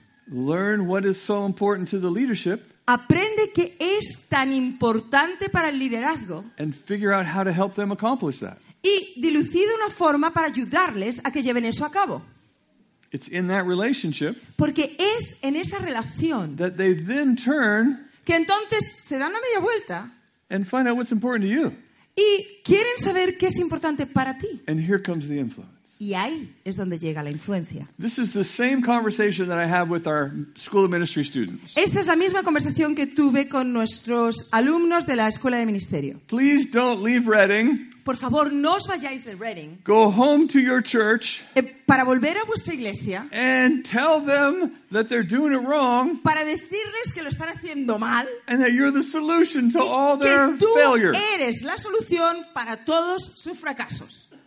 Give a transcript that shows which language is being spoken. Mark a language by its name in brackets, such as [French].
[English] Learn what is so important to the leadership. [Spanish] Aprende qué es tan importante para el liderazgo. [English] And figure out how to help them accomplish that. [Spanish] y dilucido una forma para ayudarles a que lleven eso a cabo. [English] It's in that relationship. [Spanish] Porque es en esa relación [English] that they then turn [Spanish] que entonces se dan la media vuelta [English] and find out what's important to you. [Spanish] Y quieren saber qué es importante para ti. [English] And here comes the influence. [Spanish] Y ahí es donde llega la influencia. [English] This is the same conversation that I have with our school of ministry students. [Spanish] Esa es la misma conversación que tuve con nuestros alumnos de la escuela de ministerio. [English] Please don't leave Reading. [Spanish] Por favor, no os vayáis de Reading. [English] Go home to your church. [Spanish] Para volver a vuestra iglesia. [English] And tell them that they're doing it wrong. [Spanish] Para decirles que lo están haciendo mal. [English] And that you're the solution to all their failures. [Spanish] Que tú eres la solución para todos sus fracasos.